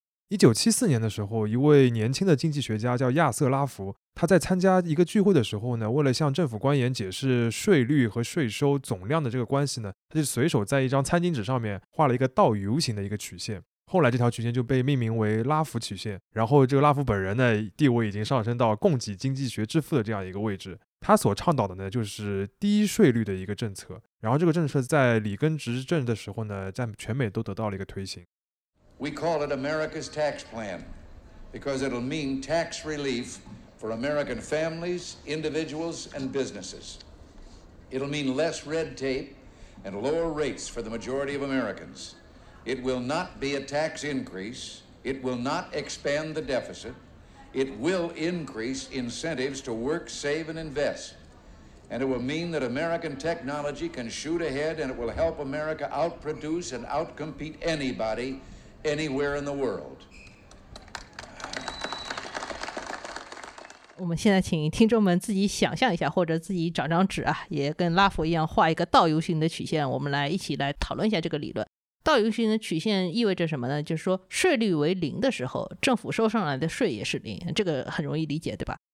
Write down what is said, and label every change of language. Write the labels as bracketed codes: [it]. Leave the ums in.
[zh] 一九七四年的时候，一位年轻的经济学家叫亚瑟拉夫·拉福，他在参加一个聚会的时候呢，为了向政府官员解释税率和税收总量的这个关系呢，他就随手在一张餐巾纸上面画了一个倒 U 型的一个曲线。后来这条曲线就被命名为拉弗曲线。然后这个拉弗本人呢，地位已经上升到供给经济学之父的这样一个位置。他所倡导的呢，就是低税率的一个政策。然后这个政策在里根执政的时候呢，在全美都得到了一个推行。 [en] We call it America's tax plan because it'll mean tax relief. for American families, individuals, and businesses. It'll mean less red tape and lower rates for the majority of Americans. It will not be a tax increase. It will not expand the deficit. It will increase incentives to work, save, and invest. And it will mean that American technology can shoot ahead and it will help America outproduce and outcompete anybody anywhere in the world. [zh] 我们现在请听众们自己想象一下，或者自己找张纸啊，也跟拉弗一样画一个倒 U 型的曲线。我们来一起来讨论一下这个理论。倒 U 型的曲线意味着什么呢？就是说，税率为零的时候，政府收上来的税也是零，这个很容易理解，对吧？